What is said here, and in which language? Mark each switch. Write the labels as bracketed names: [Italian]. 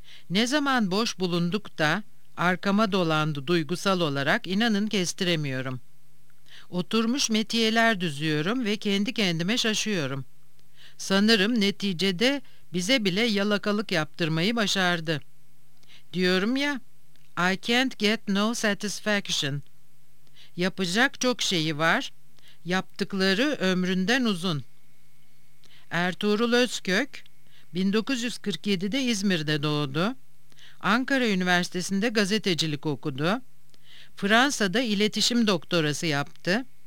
[Turkish] Ne zaman boş bulunduk da arkama dolandı duygusal olarak inanın kestiremiyorum. Oturmuş metiyeler düzüyorum ve kendi kendime şaşıyorum. Sanırım neticede bize bile yalakalık yaptırmayı başardı. Diyorum ya, [English] I can't get no satisfaction. [Turkish] Yapacak çok şeyi var, yaptıkları ömründen uzun. Ertuğrul Özkök, 1947'de İzmir'de doğdu. Ankara Üniversitesi'nde gazetecilik okudu. Fransa'da iletişim doktorası yaptı.